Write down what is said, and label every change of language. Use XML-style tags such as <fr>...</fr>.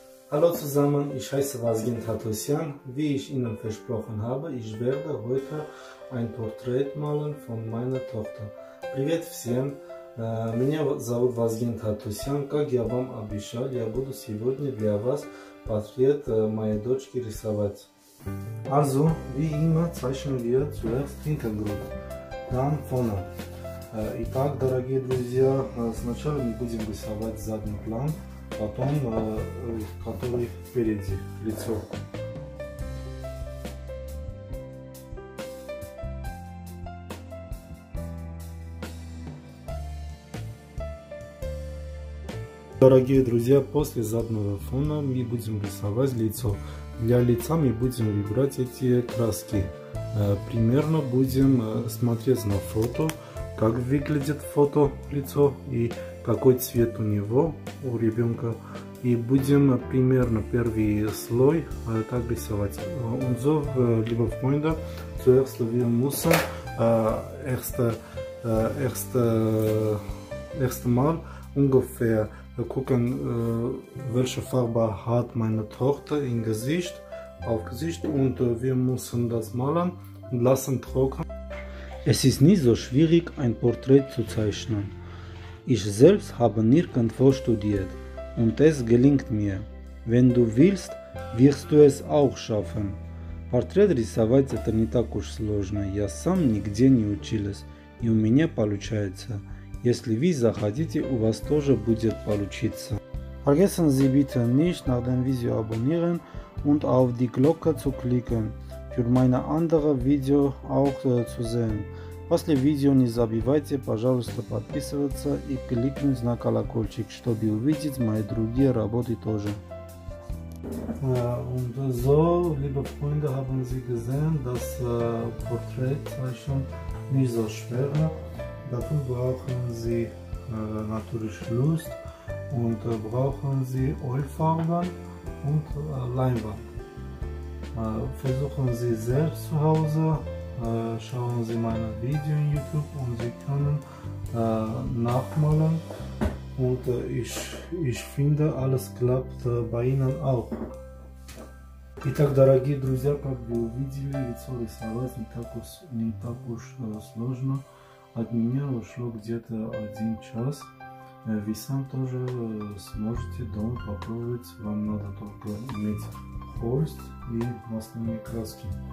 <de>Hallo zusammen, ich heiße Vasgen Tatosyan. Wie ich Ihnen versprochen habe, ich werde heute ein Porträt malen von meiner Tochter.</de> <ru>Привет всем! Меня зовут Vasgen Tatosyan. Как я вам обещал, я буду сегодня для вас портрет моей дочки рисовать.</ru> <de>Also, wie immer, zeichnen wir zuerst Hintergrund, dann vorne.</de> <ru>Итак, дорогие друзья, сначала мы будем рисовать задний план. Потом, который впереди, лицо. Дорогие друзья, после заднего фона мы будем рисовать лицо. Для лица мы будем выбирать эти краски. Примерно будем смотреть на фото, как выглядит фото лицо и какой цвет у него, у ребенка. И будем примерно первый слой так рисовать. Он зов либо в мойда,</ru> <de>zuerst wir müssen erst mal ungefähr gucken, welche Farbe hat meine Tochter im Gesicht, auf Gesicht, und wir müssen das malen und lassen trocknen. Es ist nicht so schwierig, ein Porträt zu zeichnen. Ich selbst habe nirgendwo studiert und es gelingt mir. Wenn du willst, wirst du es auch schaffen.</de> <ru>Портрет рисовать это не так уж сложно. Я сам нигде не училась и у меня получается. Если вы захотите, у вас тоже будет получиться.</ru> <de>Vergessen Sie bitte nicht, nach dem Video abonnieren und auf die Glocke zu klicken, für meine anderen Video auch zu sehen.</de> <ru>После видео не забывайте, пожалуйста, подписываться и кликнуть на колокольчик, чтобы увидеть мои другие работы тоже.</ru> <de>Und so, liebe Freunde, haben Sie gesehen, dass Porträt zeichnen nicht so schwer. Dafür brauchen Sie natürlich Lust und brauchen Sie Ölfarben und Leinwand. Versuchen Sie selbst zu Hause. Schauen Sie meine Videos in YouTube und Sie können nachmalen. Und ich finde, alles klappt bei Ihnen auch.</de> <ru>Итак, дорогие друзья, как вы увидели, лицо рисовать не так уж сложно. От меня ушло где-то один час. Вы сам тоже сможете дома попробовать. Вам надо только иметь холст и масляные краски.</ru>